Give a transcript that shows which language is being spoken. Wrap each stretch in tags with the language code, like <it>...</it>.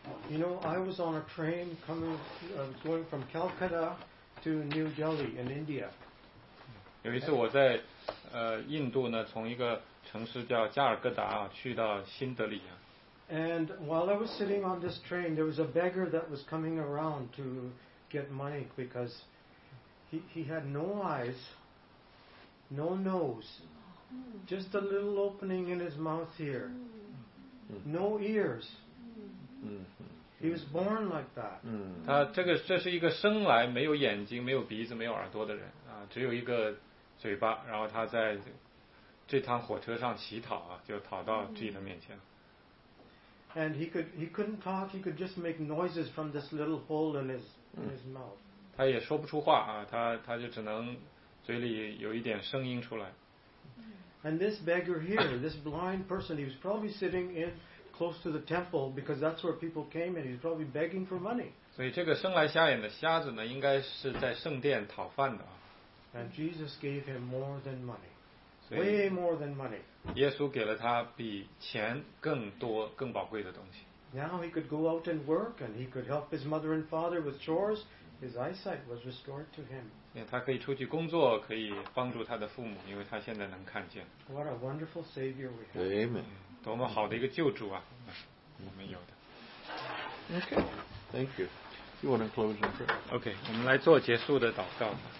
<en>You know, I was on a train coming, going from Calcutta to New Delhi in India.</en> <zh>有一次我在印度呢，从一个城市叫加尔各答去到新德里。</zh> <en>And while I was sitting on this train, there was a beggar that was coming around to get money because he had no eyes, no nose, just a little opening in his mouth here, no ears. He was born like that.</en> <zh>他这是一个生来没有眼睛、没有鼻子、没有耳朵的人啊，只有一个嘴巴。然后他在这趟火车上乞讨啊，就讨到自己的面前。</zh> <en>And he couldn't talk. He could just make noises from this little hole in his mouth.</en> <zh>他也说不出话啊，他就只能嘴里有一点声音出来。</zh> <en>And this beggar here, this blind person, he was probably sitting in close to the temple because that's where people came, and he was probably begging for money.</en> <zh>所以这个生来瞎眼的瞎子呢，应该是在圣殿讨饭的啊。</zh> <en>And Jesus gave him more than money. Way more than money.</en> <zh>耶稣给了他比钱更多、更宝贵的东西。</zh> <en>Now he could go out and work, and he could help his mother and father with chores. His eyesight was restored to him.</en> <zh>他可以出去工作，可以帮助他的父母，因为他现在能看见。</zh> <en>What a wonderful Savior we have! Amen.</en> <zh>多么好的一个救主啊！我们有的。</zh> <en>Okay. Thank you. You want to close in prayer?</en> <zh>Okay. 我们来做结束的祷告。</zh>